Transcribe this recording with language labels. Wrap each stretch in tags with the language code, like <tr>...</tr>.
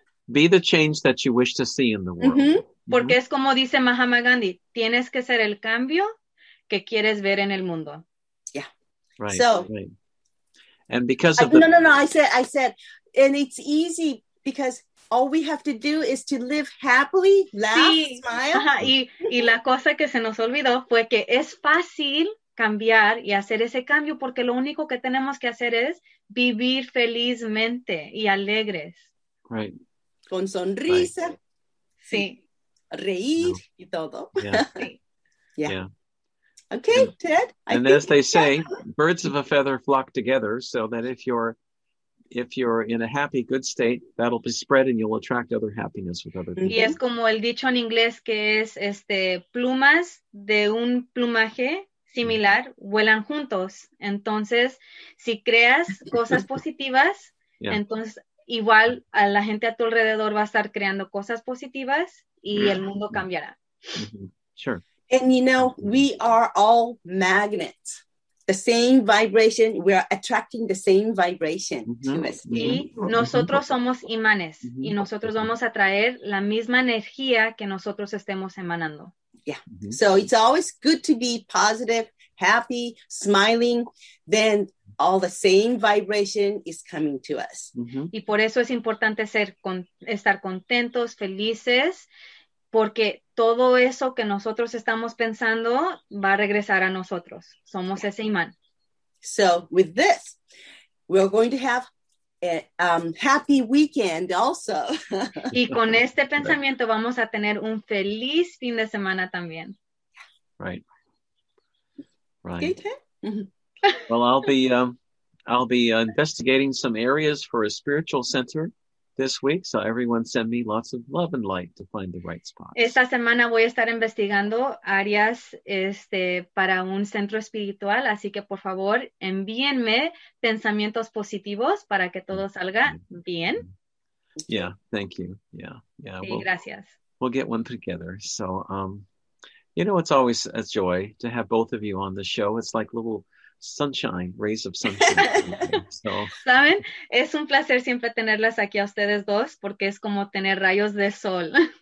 <en>be the change that you wish to see in the world. Mm-hmm.</en> <es>Porque es como dice Mahatma Gandhi, tienes que ser el cambio que quieres ver en el mundo.</es> <en>Yeah. Right. So, and because of I said, and it's easy because all we have to do is to live happily, laugh, smile. Ajá.</en> <es>Y la cosa que se nos olvidó fue que es fácil cambiar y hacer ese cambio porque lo único que tenemos que hacer es vivir felizmente y alegres.</es> <en>Right.</en> <es>Con sonrisa.</es> <en>Right. Sí.</en> <es>Reír y todo.</es> <en>Yeah. Okay, yeah. Ted. And as they say, birds of a feather flock together, so that if you're if you're in a happy, good state, that'll be spread and you'll attract other happiness with other people.</en> <es>Y es como el dicho en inglés que es plumas de un plumaje similar vuelan juntos. Entonces, si creas cosas positivas, yeah, entonces igual a la gente a tu alrededor va a estar creando cosas positivas y el mundo cambiará.</es> <en>Sure. And you know, we are all magnets. The same vibration, we are attracting the same vibration to us.</en> <es>Y nosotros somos imanes y nosotros vamos a traer la misma energía que nosotros estemos emanando.</es> <en>Yeah. So it's always good to be positive, happy, smiling, then all the same vibration is coming to us.</en> <es>Y por eso es importante estar contentos, felices, porque todo eso que nosotros estamos pensando va a regresar a nosotros. Somos ese imán.</es> <en>So with this, we're going to have a happy weekend also.</en> <es>Y con este pensamiento vamos a tener un feliz fin de semana también.</es> <en>Right. Right. Okay. Well, I'll be investigating some areas for a spiritual center this week, so everyone send me lots of love and light to find the right spot.</en> <es>Esta semana voy a estar investigando áreas para un centro espiritual, así que por favor envíenme pensamientos positivos para que todo salga bien.</es> <en>Yeah, thank you. Yeah.</en> <es>Sí, gracias.</es> <en>We'll get one together. So, you know, it's always a joy to have both of you on the show. It's like little sunshine, rays of sunshine. So,</en> <es>¿saben? Es un placer siempre tenerlas aquí a ustedes dos porque es como tener rayos de sol.</es>